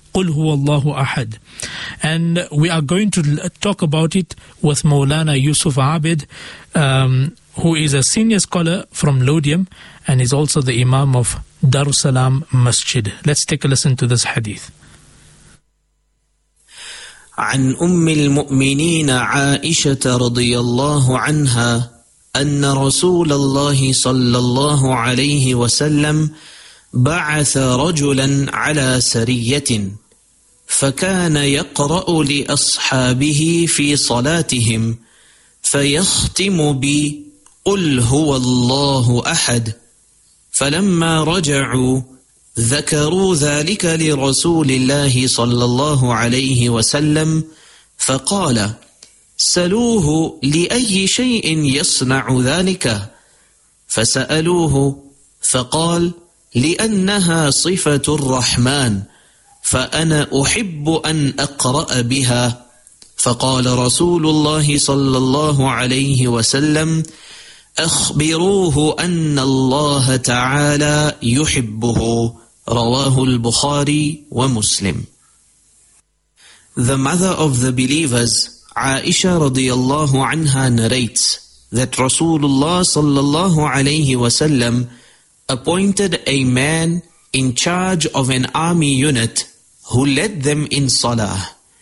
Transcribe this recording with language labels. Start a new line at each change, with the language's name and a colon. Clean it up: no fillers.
Arabic: قُلْ هُوَ اللَّهُ أَحَدْ.
English: And we are going to talk about it with Mawlana Yusuf Abid, who is a senior scholar from Lodium and is also the Imam of Darussalam Masjid. Let's take a listen to this hadith.
Arabic: عَنْ أُمِّ الْمُؤْمِنِينَ عَائِشَةَ رَضِيَ اللَّهُ عَنْهَا أَنَّ رَسُولَ اللَّهِ صَلَّى اللَّهُ عَلَيْهِ وَسَلَّمْ بعث رجلا على سرية فكان يقرأ لأصحابه في صلاتهم فيختم بي قل هو الله أحد فلما رجعوا ذكروا ذلك لرسول الله صلى الله عليه وسلم فقال سلوه لأي شيء يصنع ذلك فسألوه فقال لأنها صفة الرحمن فأنا أحب أن أقرأ بها فقال رسول الله صلى الله عليه وسلم أخبروه أن الله تعالى يحبه رواه البخاري ومسلم.
English: The mother of the believers, Aisha رضي الله عنها, narrates that رسول الله صلى الله عليه وسلم appointed a man in charge of an army unit who led them in salah.